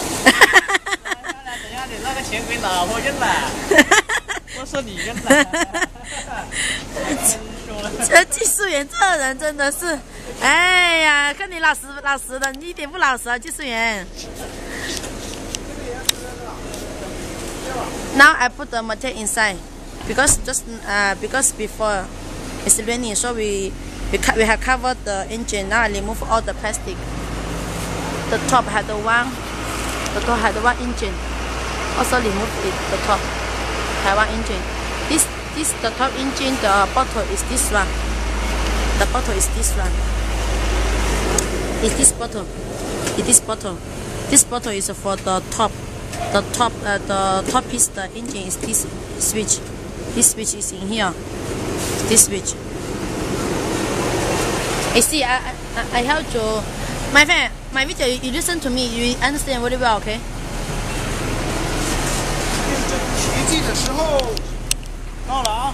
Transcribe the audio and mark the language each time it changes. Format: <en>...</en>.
<zh>哈哈哈哈哈！等下你那个钱给老婆扔了，不是你扔的。这技术员这人真的是，哎呀，看你老实的，你一点不老实啊，技术员。</zh> <en>Now I put the material inside, because before it's raining, so we have covered the engine. Now I remove all the plastic. The top had one engine. Also remove it, the top had one engine. This the top engine, the bottle is this one. The bottle is this one. It's this bottle. This bottle is for the top. The top piece, the engine is this switch. This switch is in here. This switch. You see, I help you. My friend, my video, you listen to me. You understand very well, okay?</en> <zh>见证奇迹的时候到了啊！</zh>